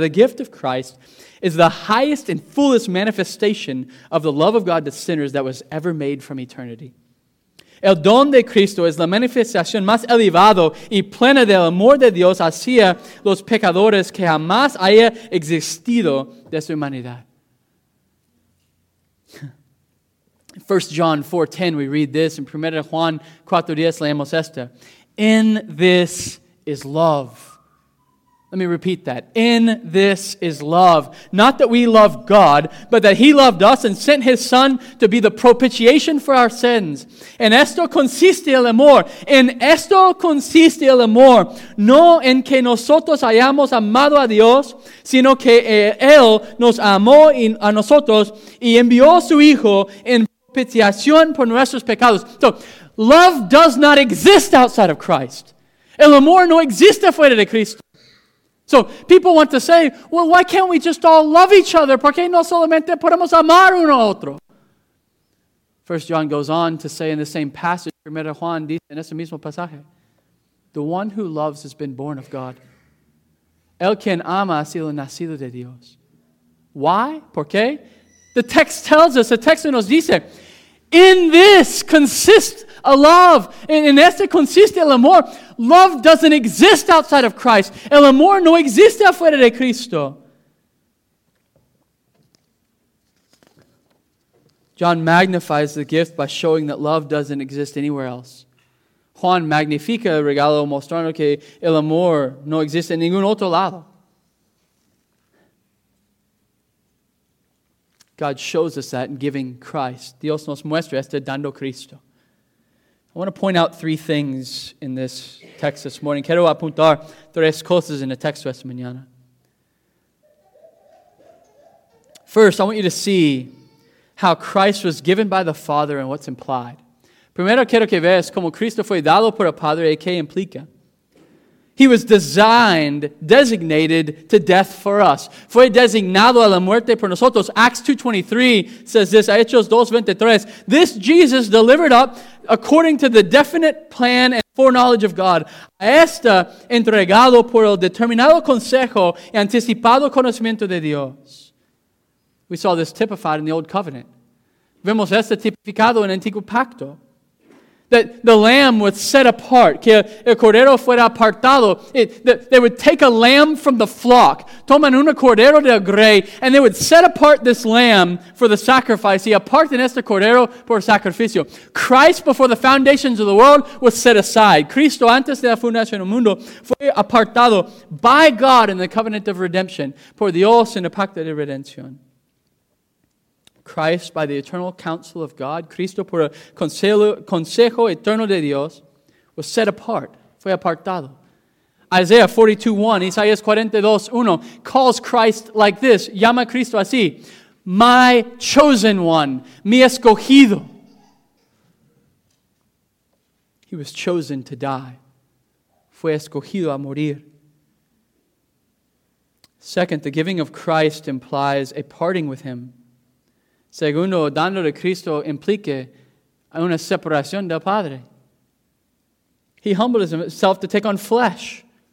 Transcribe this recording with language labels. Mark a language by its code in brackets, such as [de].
[en] The gift of Christ is the highest and fullest manifestation of the love of God to sinners that was ever made from eternity. [es] El don de Cristo es la manifestación más elevado y plena del amor de Dios hacia los pecadores que jamás haya existido de su humanidad. [en] 1 John 4:10, we read this. In [es] 1 Juan 4:10, leemos esta. [en] In this is love. Let me repeat that. In this is love. Not that we love God, but that he loved us and sent his son to be the propitiation for our sins. [es] En esto consiste el amor. En esto consiste el amor. No en que nosotros hayamos amado a Dios, sino que él nos amó a nosotros y envió su hijo en propiciación por nuestros pecados. [en] So, love does not exist outside of Christ. [es] El amor no existe fuera de Cristo. [en] So, people want to say, well, why can't we just all love each other? [es] ¿Por qué no solamente podemos amar uno a otro? [en] 1 John goes on to say in the same passage, [es] 1 Juan dice en ese mismo pasaje, [en] the one who loves has been born of God. [es] El quien ama ha sido nacido de Dios. [en] Why? [es] ¿Por qué? [en] The text tells us, the text [es] nos dice, [en] in this consists a love. [es] En este consiste el amor. [en] Love doesn't exist outside of Christ. [es] El amor no existe afuera de Cristo. [en] John magnifies the gift by showing that love doesn't exist anywhere else. [es] Juan magnifica el regalo mostrando que el amor no existe en ningún otro lado. [en] God shows us that in giving Christ. [es] Dios nos muestra este dando Cristo. [en] I want to point out three things in this text this morning. [es] Quiero apuntar tres cosas en el texto esta mañana. [en] First, I want you to see how Christ was given by the Father and what's implied. [es] Primero, quiero que veas cómo Cristo fue dado por el Padre y qué implica. [en] He was designated to death for us. [es] Fue designado a la muerte por nosotros. [en] Acts 2:23 says this. [es] Hechos 2:23. [en] This Jesus delivered up according to the definite plan and foreknowledge of God. [es] A esta entregado por el determinado consejo y anticipado conocimiento de Dios. [en] We saw this typified in the Old Covenant. [es] Vemos esta tipificado en el Antiguo Pacto. [en] That the lamb was set apart. [es] Que el cordero fuera apartado. [en] They would take a lamb from the flock. [es] Toman un cordero del grey. [en] And they would set apart this lamb for the sacrifice. [es] Y aparten este cordero por sacrificio. [en] Christ before the foundations of the world was set aside. [es] Cristo antes de la fundación del mundo fue apartado [en] by God in the covenant of redemption. [es] Por Dios en el pacto de redención. [en] Christ by the eternal counsel of God, [es] Cristo por el consejo eterno de Dios, [en] was set apart, [es] fue apartado. [en] Isaiah 42:1, [es] Isaías 42:1, [en] calls Christ like this, [es] llama a Cristo así, [en] my chosen one, [es] mi escogido. [en] He was chosen to die. [es] Fue escogido a morir. [en] Second, the giving of Christ implies a parting with him. [es] Segundo, dando de Cristo implica una separación del Padre. [en] He humbled himself to take on flesh.